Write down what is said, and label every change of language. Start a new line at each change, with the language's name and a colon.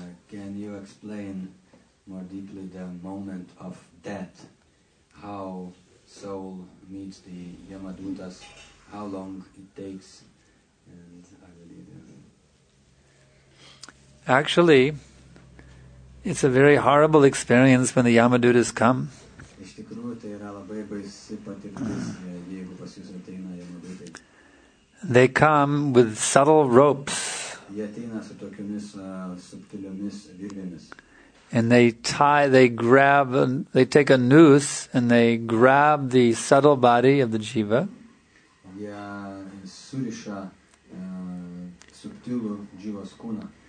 English: Can you explain more deeply the moment of death? How soul meets the Yamadutas? How long it takes? And I believe actually, it's a very horrible experience when the Yamadutas come.
Lithuanian: Iš tikrųjų, tai yra labai baisi patirtis, jeigu pas jūs ateina Yamadutai.
English: They come with subtle ropes.
Lithuanian: Jie ateina su tokiomis subtiliomis virvėmis.
English: And they take a noose and they grab the subtle body of the jiva.
Lithuanian: Jie suriša subtilų jivos kūną.